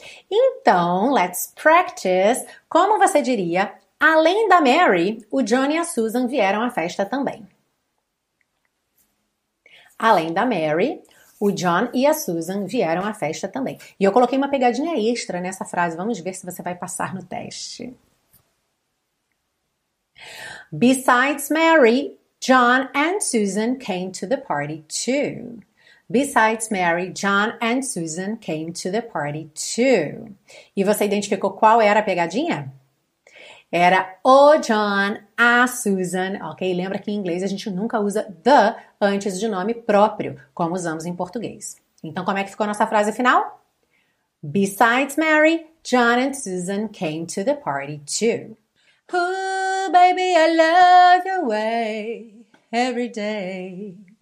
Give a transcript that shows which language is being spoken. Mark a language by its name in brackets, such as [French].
[Portuguese] Então, [English] let's practice. [Portuguese] Como você diria, além da Mary, o John e a Susan vieram à festa também. Além da Mary, o John e a Susan vieram à festa também. E eu coloquei uma pegadinha extra nessa frase. Vamos ver se você vai passar no teste. [English] Besides Mary, John and Susan came to the party too. Besides Mary, John and Susan came to the party too. [Portuguese] E você identificou qual era a pegadinha? Era o John, a Susan, ok? Lembra que em inglês a gente nunca usa the antes de nome próprio, como usamos em português. Então, como é que ficou a nossa frase final? [English] Besides Mary, John and Susan came to the party too. Oh, baby, I love your way every day.